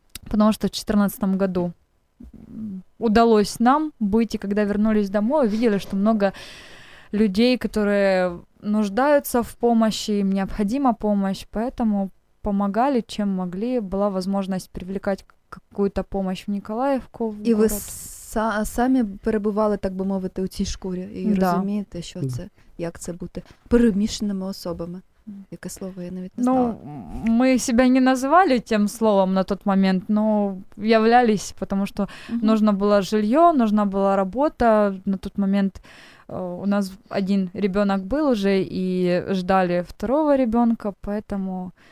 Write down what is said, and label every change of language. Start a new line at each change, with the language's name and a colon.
Russian: Потому что в 2014 году удалось нам быть, и когда вернулись домой, увидели, что много людей, которые нуждаются в помощи, им необходима помощь, поэтому помогали, чем могли. Была возможность привлекать какую-то помощь в Николаевку. И город. Вы сами перебывали, так бы
Ukrainian: мовити, у цій шкурі
Russian: и да.
Ukrainian: Розумієте, що це, як це бути переміщеними особами. Яке слово я навіть не знала.
Russian: Ну, мы себя не называли тем словом на тот момент, но являлись, потому что нужно было жилье, нужна была работа. На тот момент у нас один ребенок был уже и ждали второго ребенка, поэтому